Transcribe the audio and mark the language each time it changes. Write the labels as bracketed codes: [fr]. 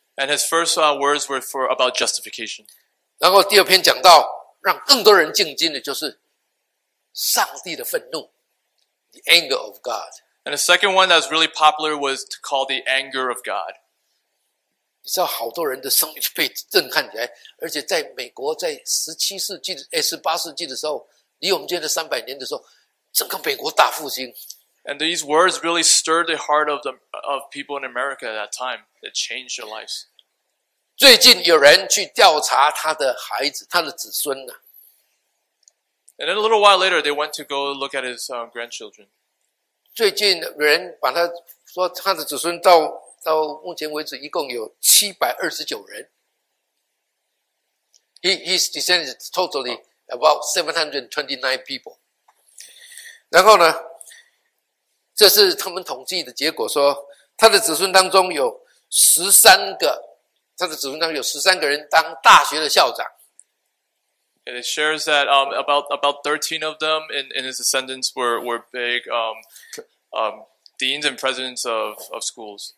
[en] And his first words were for about justification. [zh] 然后第二篇讲道让更多人震惊的就是上帝的愤怒 ， [en] the anger of God. And the second one that was really popular was to call the anger of God. [zh] 你知道好多人的生命被震撼起来，而且在美国在18世纪的时候，离我们今天300年的时候，整个美国大复兴。 [en] And these words really stirred the heart of people in America at that time. It changed their lives. [zh] 最近有人去调查他的孩子，他的子孙呢。 [en] And then a little while later, they went to go look at his grandchildren. [zh] 最近有人把他说他的子孙到目前为止，一共有729人。 [en] His descendants totally about 729 people. [zh] 然后呢，这是他们统计的结果，说他的子孙当中有13个人当大学的校长。 [en] It shares that about 13 of them in his descendants were big deans and presidents of schools